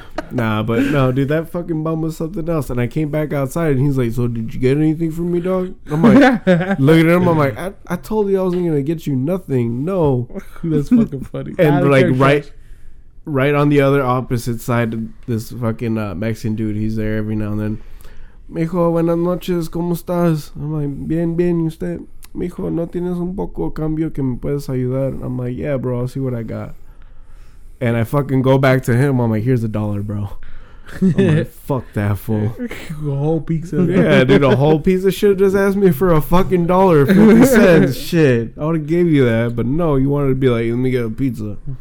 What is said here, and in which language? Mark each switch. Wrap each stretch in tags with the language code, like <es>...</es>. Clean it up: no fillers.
<en>Nah, but no, dude, that fucking bum was something else. And I came back outside and he's like, so did you get anything from me, dog? I'm like, looking at him, I'm like, I told you I wasn't gonna get you nothing. No. That's fucking funny. And like right on the other opposite side, this fucking Mexican dude, he's there every now and then.</en> <es>Mijo, buenas noches, ¿cómo estás?</es> <en>I'm like,</en> <es>bien, bien, ¿y usted? Mijo, ¿no tienes un poco cambio que me puedes ayudar?</es> <en>I'm like, yeah, bro, I'll see what I got. And I fucking go back to him. I'm like, here's a dollar, bro. I'm like, fuck that fool. A whole pizza. Yeah, dude, a whole piece of shit just asked me for a fucking dollar, 50 cents. Shit. I would have gave you that, but no, you wanted to be like, let me get a pizza.</en>